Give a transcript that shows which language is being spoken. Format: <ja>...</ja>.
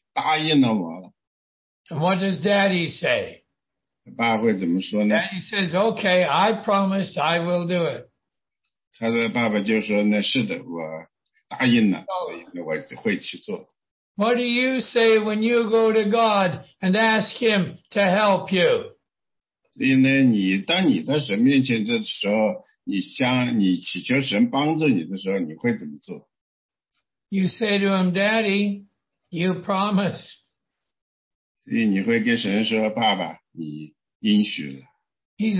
<zh>然后那个小男孩就会说，爸爸，你已经答应了我了。</zh> <en>What does Daddy say?</en> <zh>爸会怎么说呢？</zh> <en>Daddy says, okay, I promised I will do it.</en> <zh>他的爸爸就说呢，是的，我答应了，所以我会去做。</zh> <en>What do you say when you go to God and ask him to help you?</en> <zh>所以呢，你当你到神面前的时候， 你祈求神帮助你的时候，你会怎么做？</zh> <en>You say to him, Daddy, you promise.</en> <zh>所以你会跟神说，爸爸，你应许了。</zh> <en>He's</en>